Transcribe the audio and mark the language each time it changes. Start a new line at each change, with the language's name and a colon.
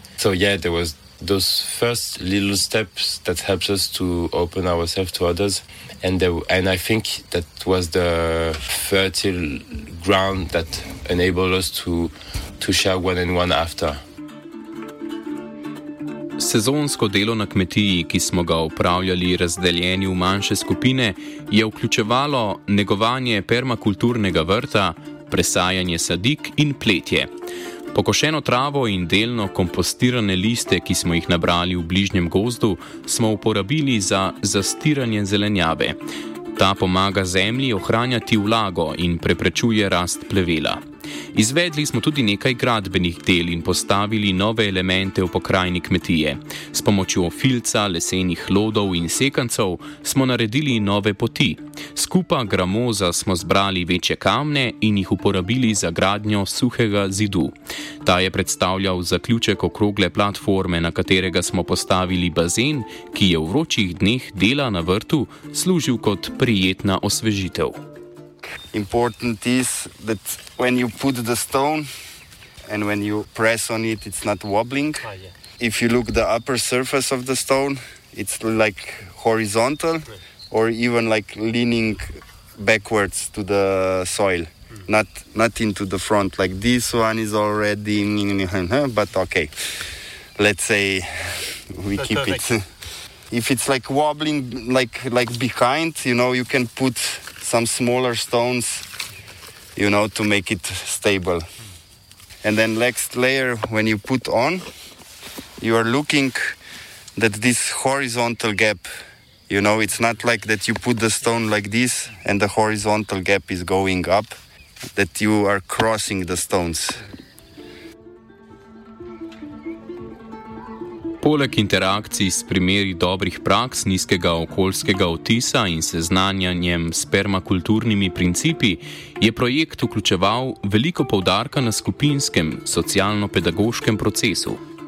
English: So yeah, there was those first little steps that helps us to open ourselves to others. And I think that was the fertile ground that enabled us to share one and one after.
Slovenian: Sezonsko delo na kmetiji, ki smo ga opravljali razdeljeni v manjše skupine, je vključevalo negovanje permakulturnega vrta, presajanje sadik in pletje. Pokošeno travo in delno kompostirane liste, ki smo jih nabrali v bližnjem gozdu, smo uporabili za zastiranje zelenjave. Ta pomaga zemlji ohranjati vlago in preprečuje rast plevela. Izvedli smo tudi nekaj gradbenih del in postavili nove elemente v pokrajini kmetije. S pomočjo filca, lesenih lodov in sekancev smo naredili nove poti. Skupa gramoza smo zbrali večje kamne in jih uporabili za gradnjo suhega zidu. Ta je predstavljal zaključek okrogle platforme, na katerega smo postavili bazen, ki je v vročih dneh dela na vrtu služil kot prijetna osvežitev.
English: Important is that when you put the stone and when you press on it, it's not wobbling. If you look the upper surface of the stone, it's like horizontal or even like leaning backwards to the soil, not into the front. Like this one is already, but okay, let's say we keep it. If it's like wobbling, like behind, you know, you can put some smaller stones, you know, to make it stable. And then next layer, when you put on, you are looking that this horizontal gap, you know, it's not like that you put the stone like this and the horizontal gap is going up, that you are crossing the stones.
Slovenian: Poleg interakcij s primeri dobrih praks, nizkega okoljskega vtisa in seznanjanjem s permakulturnimi principi, je projekt vključeval veliko poudarka na skupinskem, socialno-pedagoškem procesu.